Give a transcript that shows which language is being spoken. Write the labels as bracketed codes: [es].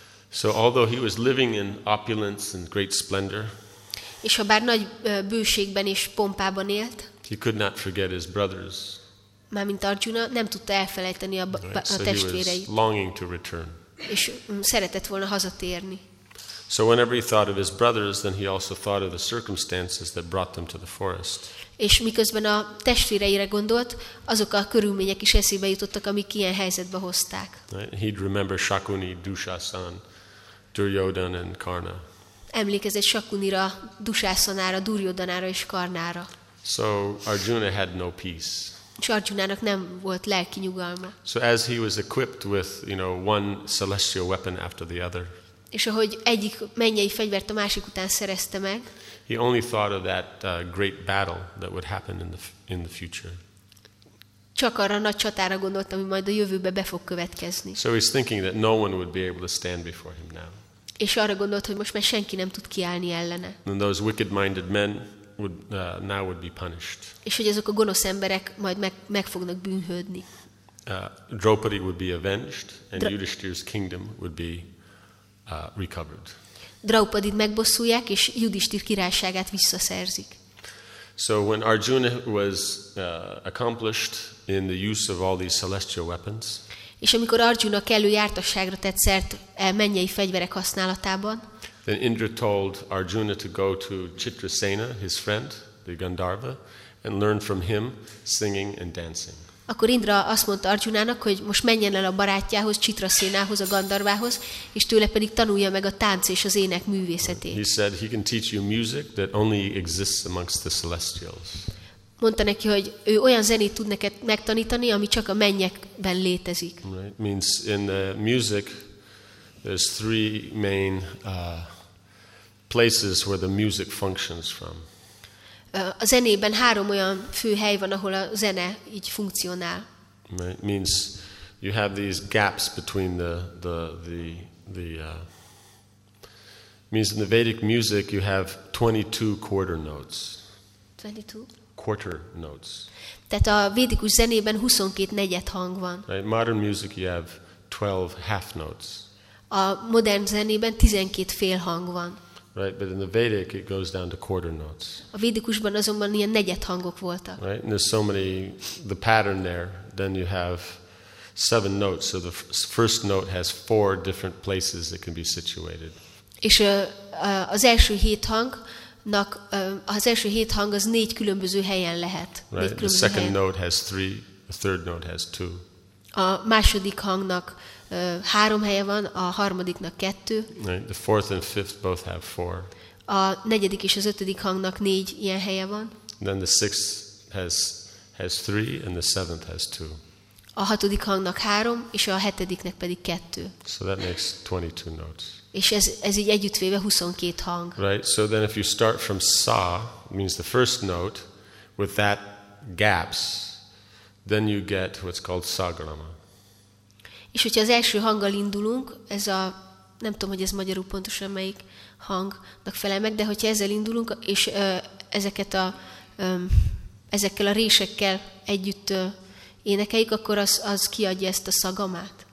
[en] So although he was living in opulence and great splendor, [hu] és ha bár nagy bőségben és pompában élt, [en] he could not forget his brothers. [hu] Mármint Arjuna nem tudta elfelejteni a testvéreit. [en] So he was longing to return. [hu] És szeretett volna hazatérni. [en] So whenever he thought of his brothers, then he also thought of the circumstances that brought them to the forest. [hu] És miközben a testvéreire gondolt, azok a körülmények is eszébe jutottak, amik ilyen helyzetbe hozták. [en] He'd remember Shakuni, Dushasan, Duryodhan and Karna. [hu] Emlékezett Shakunira, Dushasanára, Duryodhanára és Karnára. [en] So Arjuna had no peace. [hu] És Arjunának nem volt lelki nyugalma. [en] So as he was equipped with, you know, one celestial weapon after the other. [hu] És ahogy egyik mennyei fegyvert a másik után szerezte meg. [en] He only thought of that great battle that would happen in the future. [hu] csak arra nagy csatára gondolt, ami majd a jövőbe be fog következni. [en] So he's thinking that no one would be able to stand before him now. [hu] És arra gondolt, hogy most már senki nem tud kiállni ellene. [en] And those wicked-minded men would now would be punished. [hu] És hogy azok a gonosz emberek majd meg fognak bűnhődni. [en] Draupadi would be avenged, and Yudhishthira's kingdom would be recovered. [hu] Draupadit megbosszulják, és Yudhishthira királyságát visszaszerzik. [en] So when Arjuna was accomplished in the use of all these celestial weapons, [hu] és amikor Arjuna kellő jártasságra tett szert mennyei fegyverek használatában, [en] then Indra told Arjuna to go to Chitrasena, his friend, the Gandharva, and learn from him singing and dancing. [hu] Akkor Indra azt mondta Arjunának, hogy most menjen el a barátjához, Chitrasenához, a Gandharvához, és tőle pedig tanulja meg a tánc és az ének művészetét. [en] He said he can teach you music that only exists amongst the celestials. [hu] Mondta neki, hogy ő olyan zenét tud neked megtanítani, ami csak a mennyekben létezik. [en] Right. Means in the music, there's three main places where the music functions from. [hu] A zenében három olyan fő hely van, ahol a zene így funkcionál. [en] Right. Means you have these gaps between means in the Vedic music you have 22 quarter notes. 22? Quarter notes. [hu] Tehát a védikus zenében 22 negyed hang van. [en] Right. Modern music you have 12 half notes. [hu] A modern zenében 12 fél hang van. [en] Right, but in the Vedic it goes down to quarter notes. [hu] A védikusban azonban ilyen negyed hangok voltak. [en] Right, and there's so many the pattern there. Then you have seven notes, so the first note has four different places it can be situated. [hu] És az első hét hangnak az első hét hang az négy különböző helyen lehet. [en] Right, the second note has three, the third note has two. [hu] A második hangnak három helye van, a harmadiknak kettő. [en] Right, the fourth and fifth both have four. [hu] A negyedik és az ötödik hangnak négy ilyen helye van. [en] Then the sixth has three and the seventh has two. [hu] A hatodik hangnak három és a hetediknek pedig kettő. [en] So that makes 22 notes. [hu] És ez így együttvéve 22 hang. [en] Right. So then if you start from sa, means the first note, with that gaps, then you get what's called sagrama. [hu] És hogyha az első hanggal indulunk, ez a, nem tudom, hogy ez magyarul pontosan melyik hangnak felel meg, de hogyha ezzel indulunk, és ezeket a, ezekkel a résekkel együtt énekeljük, akkor az kiadja ezt a szagamát.